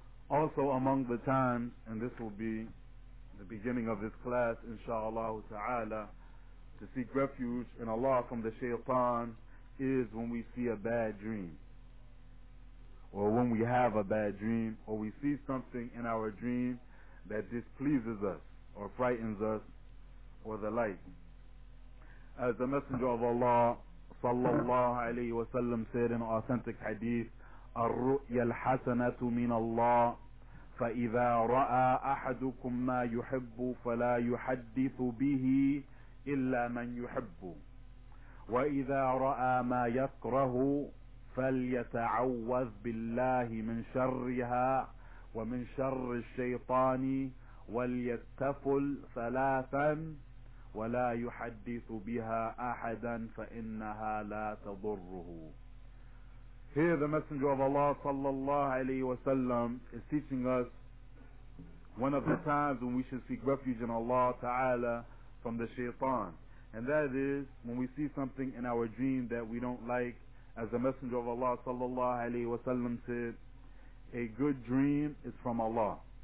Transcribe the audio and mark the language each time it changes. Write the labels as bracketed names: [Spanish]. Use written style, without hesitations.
[English] Also among the times, and this will be the beginning of this class, inshallah ta'ala, to seek refuge in Allah from the shaitan is when we see a bad dream, or when we have a bad dream, or we see something in our dream that displeases us or frightens us or the like. As the Messenger of Allah sallallahu alayhi wa sallam said in authentic hadith, [Arabic] الرؤيا الحسنة من الله فإذا رأى أحدكم ما يحب فلا يحدث به إلا من يحب وإذا رأى ما يكره فليتعوذ بالله من شرها ومن شر الشيطان وليتفل ثلاثا ولا يحدث بها أحدا فإنها لا تضره. [English] Here the Messenger of Allah sallallahu alayhi wa sallam is teaching us one of the times when we should seek refuge in Allah Ta'ala from the shaitan. And that is when we see something in our dream that we don't like. As the Messenger of Allah sallallahu alayhi wa sallam said, a good dream is from Allah.